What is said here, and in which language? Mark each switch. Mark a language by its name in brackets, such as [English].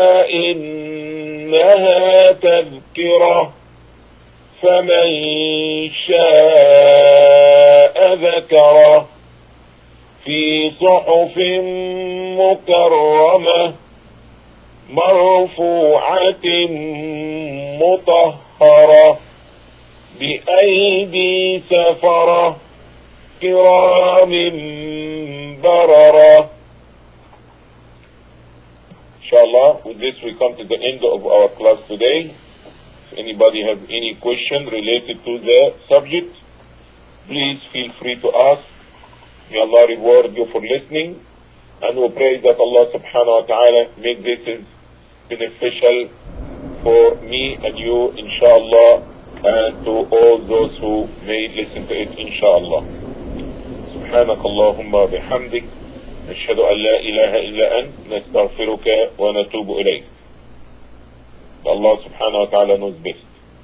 [Arabic] إنها تذكرة فمن شاء ذكره في صحف مكرمة مرفوعة مطهرة بأيدي سفرة كرام بررة. [English] Inshallah, with this we come to the end of our class today. If anybody has any question related to the subject, please feel free to ask. May Allah reward you for listening. And we pray that Allah subhanahu wa ta'ala make this beneficial for me and you, inshallah, and to all those who may listen to it, inshallah. [Arabic] Subhanakallahumma bihamdik. أشهد أن لا إله إلا أنت نستغفرك ونتوب إليك. الله سبحانه وتعالى [English] knows best.